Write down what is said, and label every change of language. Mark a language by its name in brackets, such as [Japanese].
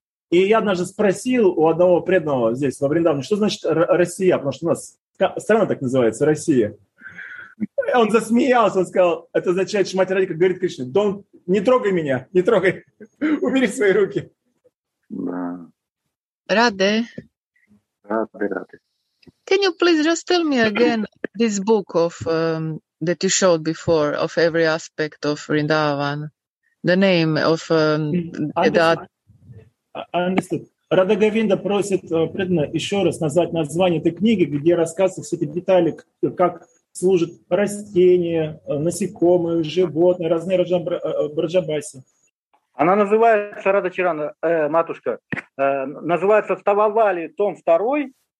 [Russian] И я однажды спросил у одного преданного здесь во Вриндаване, что значит Россия, потому что у нас страна так называется, Россия. И он засмеялся, он сказал, это означает, что Мать Радика говорит Кришне, не трогай меня, не трогай, убери свои руки. Раде. Раде, Раде. [English] Can you please just tell me again this book of... that you showed before of every aspect of Vrindavan, the name of that. I understood. [Russian] Radha Govinda просит преданно еще раз назвать название этой книги, где рассказывают все эти детали, как служат растения, насекомые, животные, разные раджабаси. Она называется, Радха Чарана, матушка, называется «Тававали, том 2».